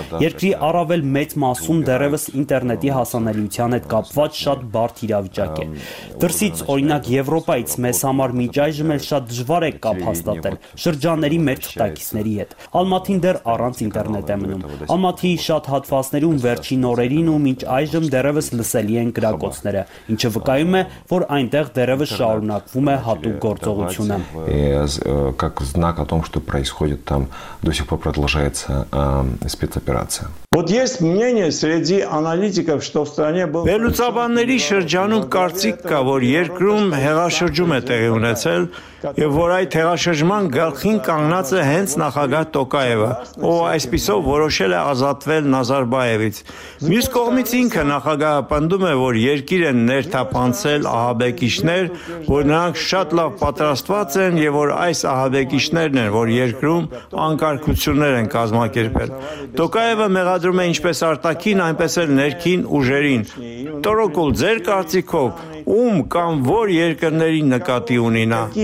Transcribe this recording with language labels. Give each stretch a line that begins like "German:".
Armenian: Երկրի առավել մեծ մասում դեռևս ինտերնետի հասանելիության հետ կապված շատ բարդ իրավիճակ է։ Դրսից, օրինակ, Եվրոպայից մեզ համար միջայժմ էլ շատ դժվար է կապ հաստատել շրջանների մեր թղթակիցների հետ։ Ալմատին դեռ առանց ինտերնետ է մնում։ Ալմատիի շատ հատվածներում վերջին օրերին ու մինչ այժմ դեռևս լսելի են կրակոցները, ինչը վկայում է, որ այնտեղ դեռևս շարունակվում է հատուկ գործողությունը։
Russian: Как знак о том, что происходит там, до сих пор продолжается спецоперация. Вот есть мнение среди аналитиков, что в стране был
Armenian: Վերլուծաբանների շրջանում կարծիք կա, որ երկրում հեղաշրջում է տեղի ունեցել, եւ որ այդ հեղաշրջման գլխին կանգնած է հենց նախագահ Տոկաևը, ով այսպիսով որոշել է ազատվել Նազարբայևից։ Մյուս կողմից ինքը նախագահը պնդում է, որ երկիրը ներթափանցել ահաբեկիչներ, որ նրանք շատ լավ պատրաստված են եւ որ այս ահաբեկիչներն են, որ երկրում անկարգություններ են կազմակերպել։ Տոկաևը մեղադրում է ինչպես արտաքին, այնպես էլ ներքին ուժերին։ Տորոկուլ, ձեր կարծիքով ում կամ որ երկրների նկատի ունինա։